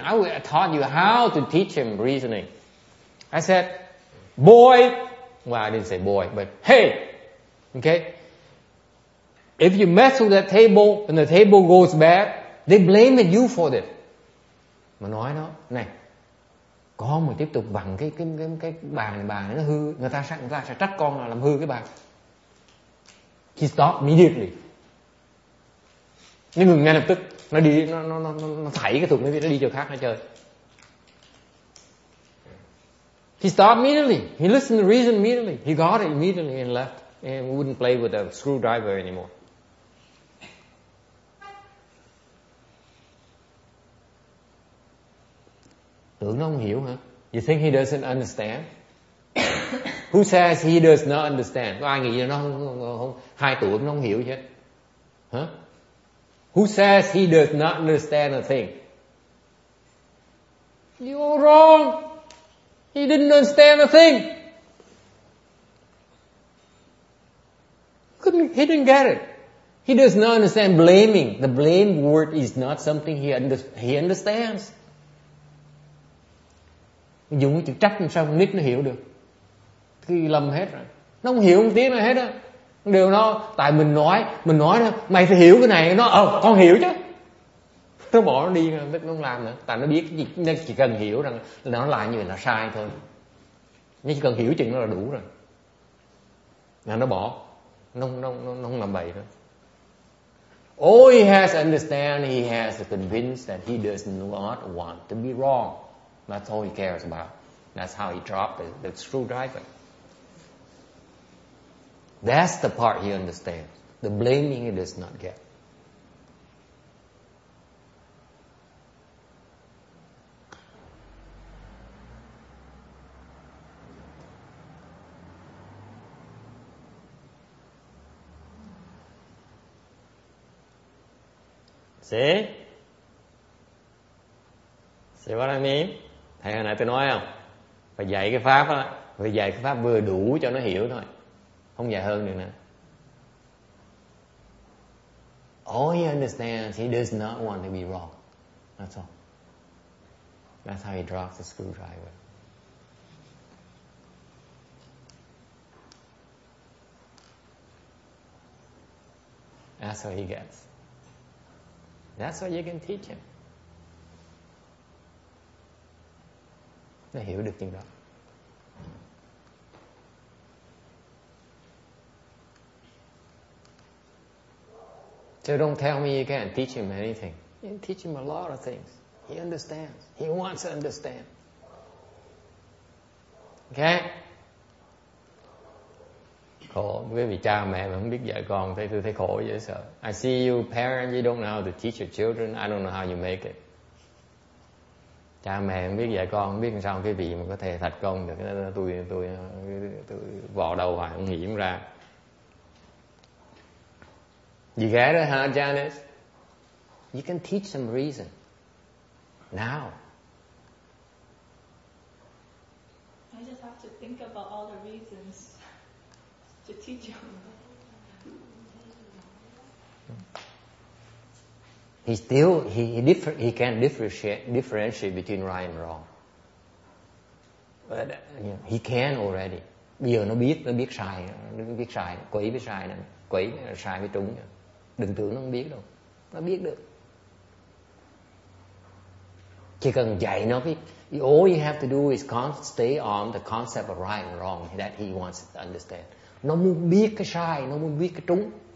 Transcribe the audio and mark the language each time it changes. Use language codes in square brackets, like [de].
[en] I taught you how to teach him reasoning. I said, boy, well, I didn't say boy, but hey, okay? If you mess with that table and the table goes bad, they blame you for it. [vi] Mà nói nó, này, con mà tiếp tục bằng cái bàn nó hư, người ta sẽ trách con là làm hư cái bàn. [en] He stopped immediately. [vi] Nó ngừng ngay lập tức. Nó đi, nó thảy cái thùng nó đi chỗ khác nó chơi. [en] He stopped immediately. He listened to reason immediately. He got it immediately and left. And wouldn't play with a screwdriver anymore. [vi] Tưởng nó không hiểu hả? [en] You think he doesn't understand? Who says he does not understand? [vi] Có ai nghĩ nó không 2 tuổi nó không hiểu chứ? Huh? [en] Who says he does not understand a thing? You're wrong. He didn't understand a thing. He didn't get it. He does not understand blaming. The blame word is not something he understands. [vi] Dùng cái chữ trách làm sao nít nó hiểu được? Thì lầm hết rồi. Nó không hiểu một tiếng nào hết á. Điều nó, tại mình nói đó, mày phải hiểu cái này. Nó, con hiểu chứ. Nó bỏ nó đi, nó không làm nữa. Tại nó biết cái gì, nó chỉ cần hiểu rằng là nó lại như vậy là sai thôi. Nó chỉ cần hiểu chuyện nó là đủ rồi. Là nó bỏ. Nó không làm bậy nữa. [en] All he has to understand, he has to convince that he does not want to be wrong. That's all he cares about. That's how he dropped the screwdriver. That's the part he understands. The blaming he does not get. See what I mean? [vi] Thầy hồi nãy tôi nói không? Phải dạy cái pháp đó, phải dạy cái pháp vừa đủ cho nó hiểu thôi, không dạy hơn được nữa. [en] All he understands, he does not want to be wrong. That's all. That's how he drops the screwdriver. That's what he gets. That's what you can teach him. [vi] Nó hiểu được chuyện đó. [en] So don't tell me you can't teach him anything. You can teach him a lot of things. He understands. He wants to understand. Okay? [vi] Khổ. Quý vị cha mẹ mà không biết dạy con, thấy tôi thấy khổ dễ sợ. [en] I see you parents, you don't know how to teach your children. I don't know how you make it. [vi] Cha mẹ không biết dạy con, không biết làm sao quý vị mà có thể thành công được. Tôi vò đầu hoài, không hiểm ra. [en] You get it, huh, Janice? You can teach some reason. Now. I just have to think about all the reasons to teach him. He can differentiate between right and wrong. But you know, he can already. [vi] Bây giờ nó biết sai, quấy biết sai nè, quấy sai biết trúng nè. Đừng tưởng nó không biết đâu. Nó biết được. Chỉ cần dạy nó biết. [en] All you have to do is stay on the concept of right and wrong that he wants to understand. [vi] Nó muốn biết cái sai, nó muốn biết cái trúng.